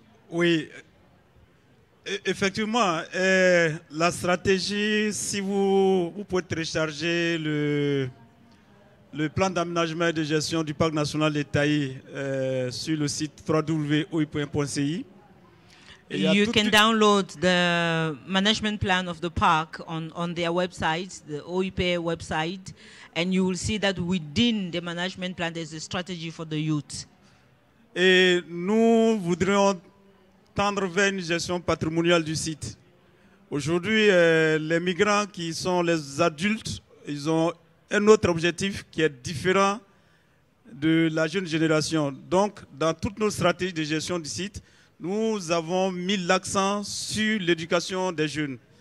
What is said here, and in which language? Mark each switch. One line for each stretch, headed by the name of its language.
French: Oui, effectivement, la stratégie, si vous pouvez télécharger le plan d'aménagement et de gestion du parc national de Taï sur le site www.oui.ci.
English: You can download the management plan of the park on their website, the OIP website, and you will see that within the management plan there's a strategy for the youth.
French: Et nous voudrions tendre vers une gestion patrimoniale du site. Aujourd'hui, les migrants qui sont les adultes, ils ont un autre objectif qui est différent de la jeune génération. Donc, dans toutes nos stratégies de gestion du site, nous avons mis l'accent sur l'éducation des jeunes.